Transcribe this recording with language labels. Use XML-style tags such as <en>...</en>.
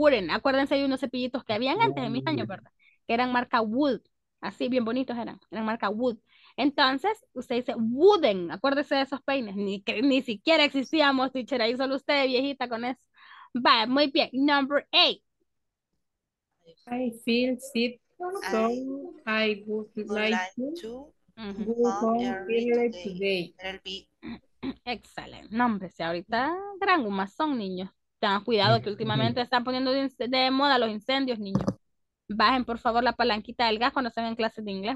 <es>Acuérdense de unos cepillitos que habían antes en mis años, ¿verdad? Que eran marca wood, así bien bonitos eran marca wood. Entonces, usted dice wooden, acuérdense de esos peines, ni siquiera existíamos, teacher, ahí solo usted viejita con eso. Va, muy bien.</es> <en>Number eight. I feel sick. So I would like to go home early today.</en> <es>Excelente. No, hombre, si ahorita gran humazón, niños. Tengan cuidado que últimamente están poniendo de moda los incendios, niños. Bajen, por favor, la palanquita del gas cuando estén en clases de inglés.</es>